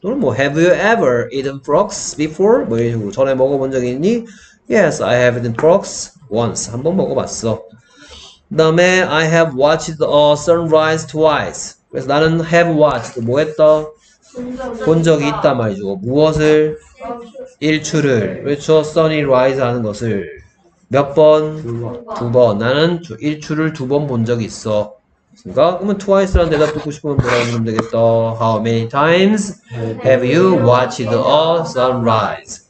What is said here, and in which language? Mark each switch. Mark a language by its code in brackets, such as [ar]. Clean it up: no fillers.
[ko] 또는 뭐 [en] have you ever eaten frogs before? [ko] 뭐 이런 식으로 전에 먹어본 적 있니? [en] Yes, I have eaten frogs once. [ko] 한번 먹어봤어. 그다음에 [en] I have watched a sunrise twice. [ko] 그래서 나는 have watched, 뭐 했다? 본 적이 있단 말이죠. 무엇을? 일출을. 그렇죠? sunrise 하는 것을. 몇 번? 두 번. 나는 일출을 두번본 적이 있어. 그니까? 그러면 twice라는 대답 듣고 싶으면 뭐라고 하면 되겠어? [en] How many times have you watched a sunrise?